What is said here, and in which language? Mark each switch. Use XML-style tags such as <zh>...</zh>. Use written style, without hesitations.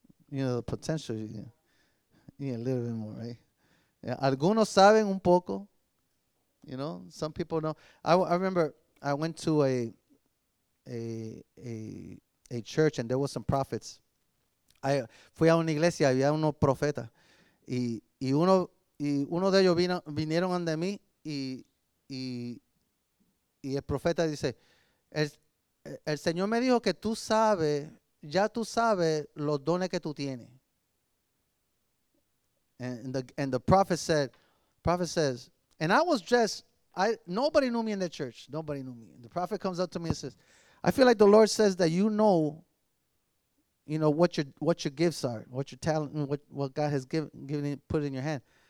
<en>You know, the potential. You need a little bit more, right? Yeah,</en> <es>algunos saben un poco.</es> <en>You know, some people know. I remember I went to a church and there were some prophets.</en> <es>I fui a una iglesia, había uno profeta. Y uno de ellos vinieron ante mí y el profeta dice, el Señor me dijo que tú sabes, ya tú sabes los dones que tú tienes.</es> <en>And the prophet says, and I was just, nobody knew me in the church. Nobody knew me. And the prophet comes up to me and says, I feel like the Lord says that you know what your gifts are, what your talent, what God has put in your hand.</en>